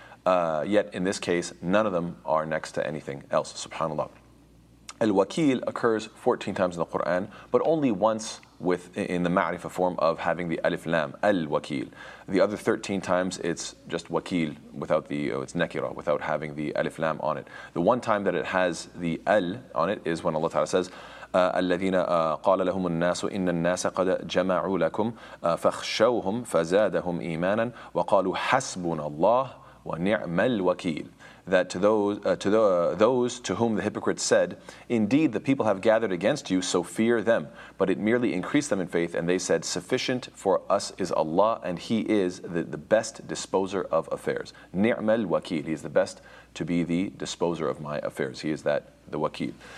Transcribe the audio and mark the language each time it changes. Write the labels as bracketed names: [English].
[English] Yet in this case, none of them are next to anything else, subhanAllah. Al-Wakeel occurs 14 times in the Qur'an, but only once in the ma'rifa form of having the alif lam, al-Wakeel. The other 13 times, it's just Wakeel, without the, it's nakira, without having the alif lam on it. The one time that it has the al on it is when Allah Ta'ala says, [Arabic] الذين قال لهم الناس إن الناس قد جمعوا لكم فخشوهم فزادهم إيمانا وقالوا حسبنا الله ونعم الوكيل. [English] That to those to whom the hypocrites said, indeed the people have gathered against you, so fear them. But it merely increased them in faith, and they said, sufficient for us is Allah, and He is the best disposer of affairs. [Arabic] نعم الوكيل. [English] He is the best to be the disposer of my affairs. He is that, the Wakeel.